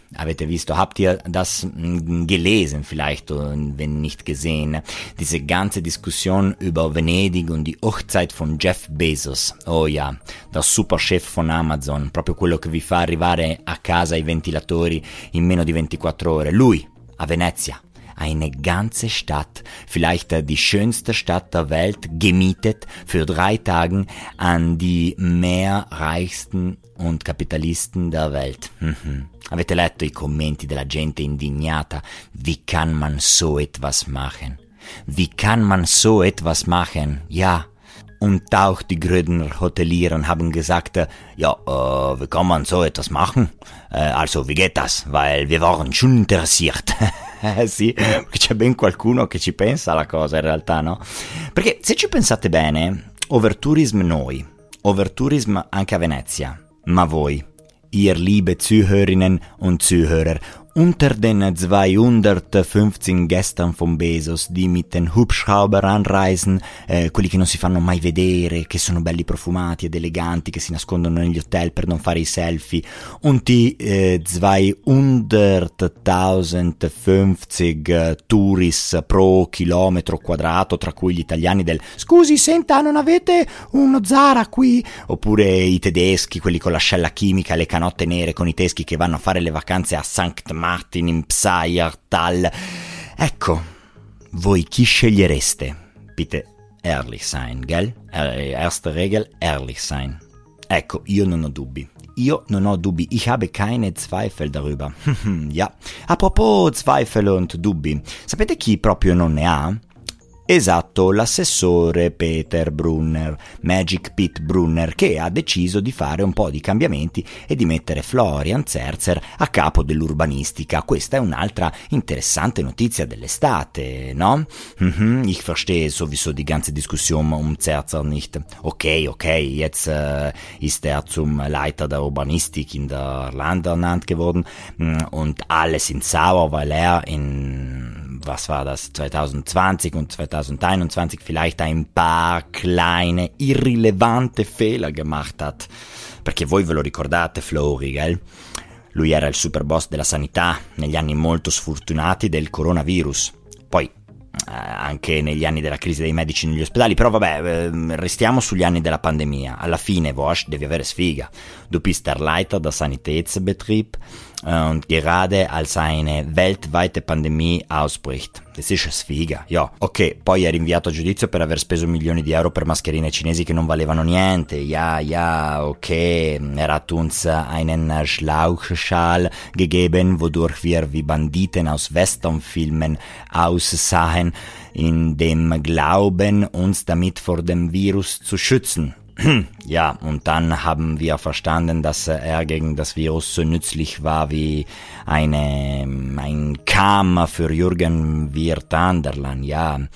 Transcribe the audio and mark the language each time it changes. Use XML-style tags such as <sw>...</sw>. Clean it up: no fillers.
<it>Avete visto,</it> <de>habt ihr das gelesen vielleicht, wenn nicht gesehen, diese ganze Diskussion über Venedig und die Hochzeit von Jeff Bezos, oh ja, der Superchef von Amazon,</de> <it>proprio quello che vi fa arrivare a casa i ventilatori in meno di 24 ore, lui, a Venezia,</it> <de>eine ganze Stadt, vielleicht die schönste Stadt der Welt, gemietet für 3 Tage an die mehr reichsten und Kapitalisten der Welt.</de> <it>Avete letto i commenti della gente indignata?</it> <de>Wie kann man so etwas machen? Wie kann man so etwas machen? Ja. Und auch die Grödener Hotelier haben gesagt, ja, wie kann man so etwas machen? Also, wie geht das? Weil wir waren schon interessiert.</de> <it>Sì, c'è ben qualcuno che ci pensa alla cosa in realtà, no? Perché se ci pensate bene, overtourism noi, overtourism anche a Venezia, Ma voi,</it> <de>ihr liebe Zuhörerinnen und Zuhörer, unter den 215 Gästen von Bezos, die mit den Hubschrauber anreisen,</de> <it>quelli che non si fanno mai vedere, che sono belli profumati ed eleganti, che si nascondono negli hotel per non fare i selfie,</it> <de>und die 215 Touris</de> <it>pro chilometro quadrato, tra cui gli italiani del «Scusi, senta, non avete uno Zara qui?» oppure i tedeschi, quelli con l'ascella chimica, le canotte nere con i teschi che vanno a fare le vacanze a Sankt Martin. Martin in Psyr, tal. Ecco, voi chi scegliereste?</it> <de>Bitte ehrlich sein, gell? Erste Regel, ehrlich sein.</de> <it>Ecco, io non ho dubbi. Io non ho dubbi.</it> <de>Ich habe keine Zweifel darüber.</de> <it>Ja.</it> <de>A propos Zweifel und</de> <it>dubbi, sapete chi proprio non ne ha? Esatto, l'assessore Peter Brunner, Magic Pete Brunner, che ha deciso di fare un po' di cambiamenti e di mettere Florian Zerzer a capo dell'urbanistica. Questa è un'altra interessante notizia dell'estate, no?</it> <de>Ich verstehe sowieso die ganze Diskussion um Zerzer nicht. Ok, jetzt ist er zum Leiter der Urbanistik in der Land ernannt geworden und alle sind sauer, weil er in... was war das, 2020 und 2021 vielleicht ein paar kleine, irrilevante Fehler gemacht hat.</de> <it>Perché voi ve lo ricordate, Flori, gell? Lui era il superboss della sanità negli anni molto sfortunati del coronavirus. Poi, anche negli anni della crisi dei medici negli ospedali, però vabbè, restiamo sugli anni della pandemia. Alla fine, Vosch, devi avere sfiga.</it> <de>Du bist der Leiter der Sanitätsbetrieb, und gerade als eine weltweite Pandemie ausbricht. Das ist sfiga, jo.</de> <it>Ok, poi è rinviato a giudizio per aver speso milioni di euro per mascherine cinesi che non valevano niente.</it> <de>Ja, ok. Er hat uns einen Schlauchschal gegeben, wodurch wir wie Banditen aus Westernfilmen aussahen, in dem Glauben, uns damit vor dem Virus zu schützen. Ja, und dann haben wir verstanden, dass er gegen das Virus so nützlich war wie ein Kamm für Jürgen Wirt Anderlan, ja.</de>